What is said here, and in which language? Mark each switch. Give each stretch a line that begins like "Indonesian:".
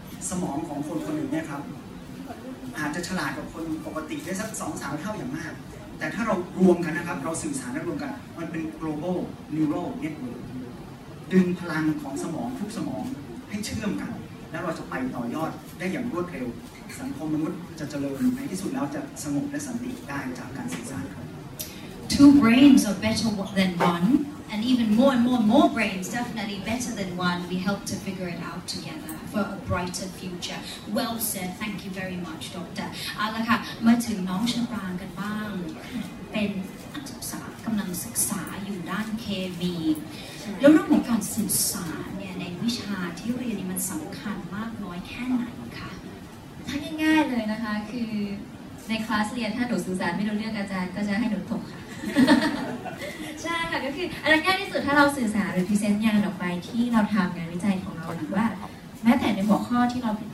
Thai: สมองของคนคนหนึ่งเนี่ยครับอาจจะฉลาดกว่าคนปกติได้สัก 2-3 เท่าอย่างมากแต่ถ้าเรารวมกันนะครับเราสื่อสารรวมกันมันเป็น global neural network ดึงพลังของสมองทุกสมองให้เชื่อมกันแล้วเราจะไปต่อยอดได้อย่างรวดเร็วสังคมมนุษย์จะเจริญในที่สุดแล้วจะสงบและสันติได้จากการสื่อสารครับ
English: Two brains are better than one and even more and more and more brains definitely better than one we help to figure it out togetherfor a brighter future. Well said. Thank you very much, Doctor.
Thai: เอาละค่ะมาถึงน้องชปรางกันบ้างเป็นนักศึกษากำลังศึกษาอยู่ด้านเคมีแล้วเรื่องของการสื่อสารเนี่ยในวิชาที่เรียนนี่มันสำคัญมากน้อยแค่ไหนคะ ถ้าง่ายๆเลยนะคะคือในคลาสเรียนถ้าหนูสื่อสารไม่รู้เรื่องอาจารย์ก็จะให้หนูตกค่ะใช่ค่ะก็คืออะไรง่ายที่สุดถ้าเราสื่อสารหรือพรีเซนต์งานออกไปที่เราทำงานวิจัยของเราหรือว่าแม้แต่ในหัวข้อที่เรา